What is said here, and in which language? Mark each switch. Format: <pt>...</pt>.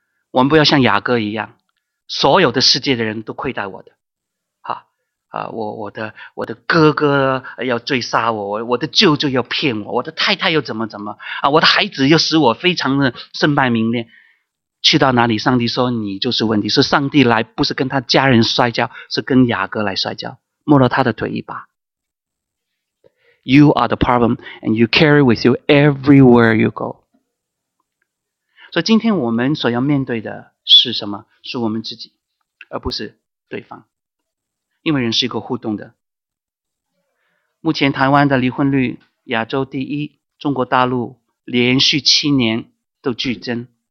<zh>我们不要像雅各一样，所有的世界的人都亏待我的，我的哥哥要追杀我，我的舅舅要骗我，我的太太又怎么怎么、啊、我的孩子又使我非常的身败名裂。去到哪里上帝说你就是问题，是上帝来不是跟他家人摔跤，是跟雅各来摔跤，摸了他的腿一把。</zh> <en>You are the problem and you carry with you everywhere you go。</en> <zh>所以今天我们所要面对的是什么？是我们自己而不是对方，因为人是一个互动的。目前台湾的离婚率亚洲第一，中国大陆连续七年都剧增。</zh>